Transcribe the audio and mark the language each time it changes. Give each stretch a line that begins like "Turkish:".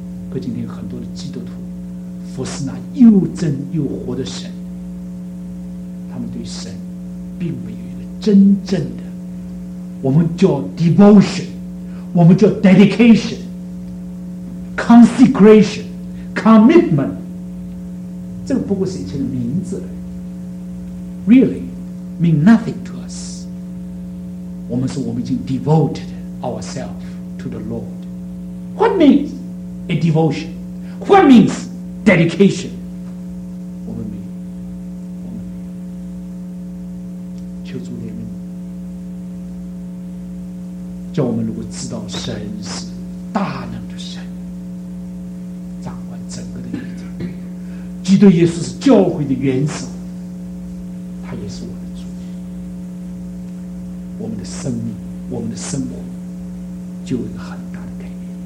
Chinese: 可今天很多的基督徒服侍那又真又活的神，他们对神并没有一个真正的，我们叫 devotion， 我们叫 dedication，consecration commitment， 这个不过是一个名字而已，
English: really mean nothing to us。
Chinese: 我们说我们已经
English: devoted ourselves to the Lord， what means a devotion， what means dedication，
Chinese: 我们没有，我们没有。求主怜悯，叫我们能够知道神是大能的神，掌管整个的宇宙。基督耶稣是教会的元首，他也是我们的主。我们的生命，我们的生活就有一个很大的改变。